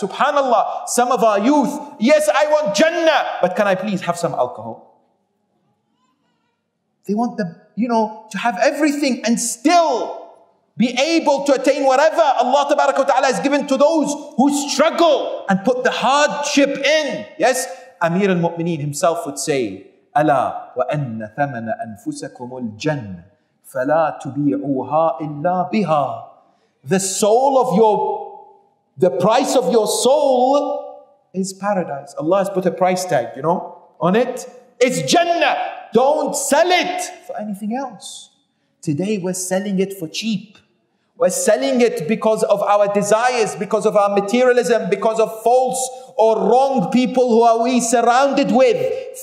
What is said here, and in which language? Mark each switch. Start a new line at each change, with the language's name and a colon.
English: Subhanallah, some of our youth, yes, I want Jannah, but can I please have some alcohol? They want the, you know, to have everything and still be able to attain whatever Allah tabaraka wa ta'ala has given to those who struggle and put the hardship in. Yes, Amir al-Mu'mineen himself would say,
Arabic: أَلَا وَأَنَّ ثَمَنَ أَنفُسَكُمُ الْجَنَّةِ فَلَا تُبِيعُهَا إِلَّا بِهَا.
English: The soul of your, the price of your soul is paradise. Allah has put a price tag, you know, on it. It's Jannah. Don't sell it for anything else. Today we're selling it for cheap. We're selling it because of our desires, because of our materialism, because of false or wrong people who are we surrounded with.